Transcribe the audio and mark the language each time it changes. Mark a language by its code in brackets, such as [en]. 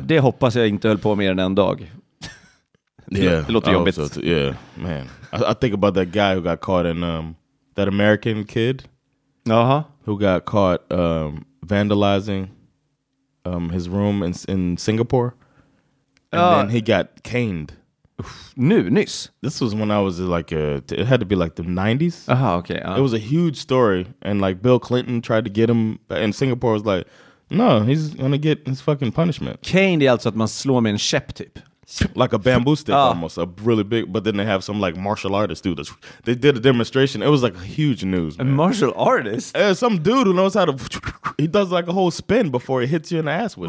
[sv] Det hoppas jag inte höll på mer än en dag. [en] Yeah. [sv] Det låter jobbigt. [en] Yeah, man. I think about that guy who got caught in, that American kid. Uh-huh. Who got caught vandalizing. His room in Singapore, and then he got caned. Nice. This was when I was like it had to be like the 90s. Okay. It was a huge story, and like Bill Clinton tried to get him, and Singapore was like, no, he's gonna get his fucking punishment. [sv] Caned är alltså att man slår med en käpp typ. [en] Like a bamboo stick almost, a really big, but then they have some like martial artist do this. They did a demonstration. It was like huge news, man. A martial artist? Some dude who knows how to, he does like a whole spin before he hits you in the ass with